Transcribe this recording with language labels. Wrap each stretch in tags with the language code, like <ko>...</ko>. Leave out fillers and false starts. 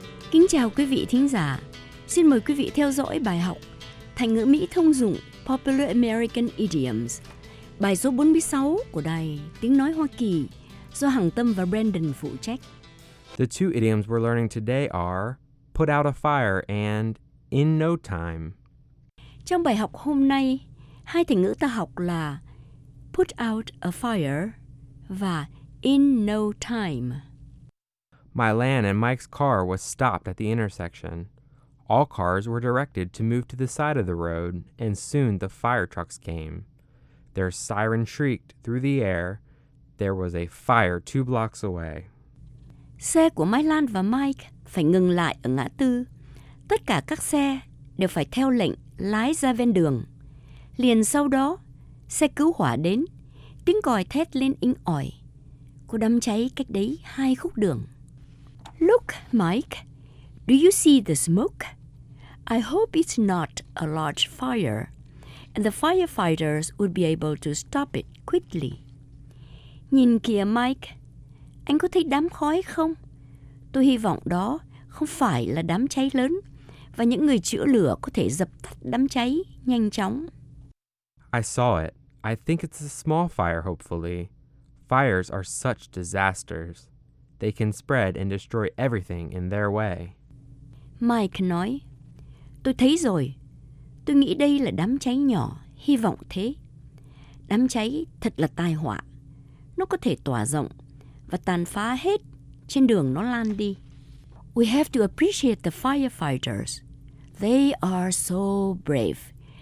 <vi>Kính chào quý vị thính giả. Xin mời quý vị theo dõi bài học Thành ngữ Mỹ thông dụng Popular American Idioms, bài số 46 của Đài Tiếng Nói Hoa Kỳ do Hằng Tâm và Brandon phụ trách.</vi> <en>The two idioms we're learning today are put out a fire and in no time.</en> <vi>Trong bài học hôm nay, hai thành ngữ ta học là put out a fire và in no time.</vi> <en>My Lan and Mike's car was stopped at the intersection. All cars were directed to move to the side of the road, and soon the fire trucks came. Their siren shrieked through the air. There was a fire two blocks away.</en> <vi>Xe của My Lan và Mike phải ngừng lại ở ngã tư. Tất cả các xe đều phải theo lệnh lái ra ven đường. Liền sau đó, xe cứu hỏa đến. Tiếng còi thét lên inh ỏi. Cô đâm cháy cách đấy hai khúc đường.</vi> <en>Look, Mike, do you see the smoke? I hope it's not a large fire, and the firefighters would be able to stop it quickly.</en> <vi>Nhìn kìa, Mike, anh có thấy đám khói không? Tôi hy vọng đó không phải là đám cháy lớn, và những người chữa lửa có thể dập tắt đám cháy nhanh chóng.</vi> <en>I saw it. I think it's a small fire, hopefully. Fires are such disasters. They can spread and destroy everything in their way.</en> <vi>Mike nói, tôi thấy rồi. Tôi nghĩ đây là đám cháy nhỏ, hy vọng thế. Đám cháy thật là tai họa. Nó có thể tỏa rộng và tàn phá hết trên đường nó lan đi.</vi> <en>We have to appreciate the firefighters. They are so brave.</en>